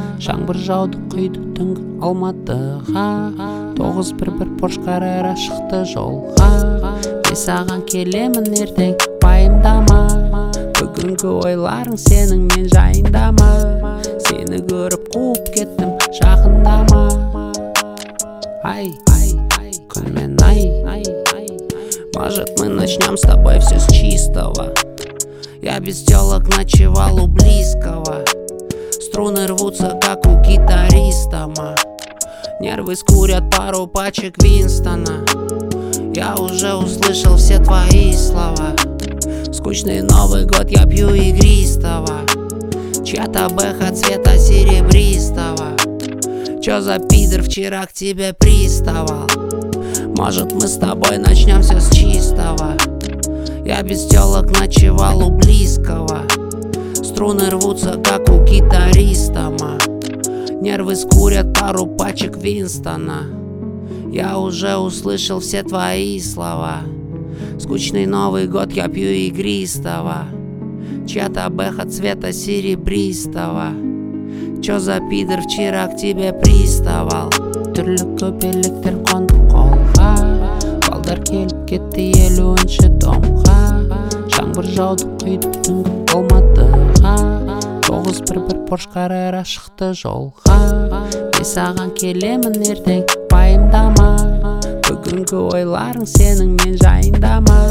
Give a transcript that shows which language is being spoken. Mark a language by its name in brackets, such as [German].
[Kazakh] Шаңбыр жауды құйды түнгі Алматыға, 911 Поршқарайра шықты жолға. Мен саған келемін ертең байымдама, бүгінгі ойларың сенің мен жайындама. Сені көріп қуып кеттім жақындама. Ай, күн мен ай. [Russian] Может, мы начнем с тобой все с чистого. Я без телок ночевал у близкого. Струны рвутся, как у гитариста, ма. Нервы скурят пару пачек Винстона. Я уже услышал все твои слова. Скучный Новый год я пью игристого. Чья-то бэха цвета серебристого. Чё за пидор вчера к тебе приставал? Может, мы с тобой начнем все с чистого. Я без телок ночевал у близкого. Струны рвутся, как у гитариста, ма. Нервы скурят пару пачек Винстона. Я уже услышал все твои слова. Скучный Новый год я пью игристого. Чья-то бэха цвета серебристого. Чё за пидор вчера к тебе приставал? [Kazakh] Түрлікөп электр қонды қолға, балдар келіп кетті елуінші домға. Шаңбыр жауды құйды түнгі Алматыға, 911 Поршқарайра шықты жолға. Мен саған келемін ертең байымдама, бүгінгі ойларың сенің мен жайындама.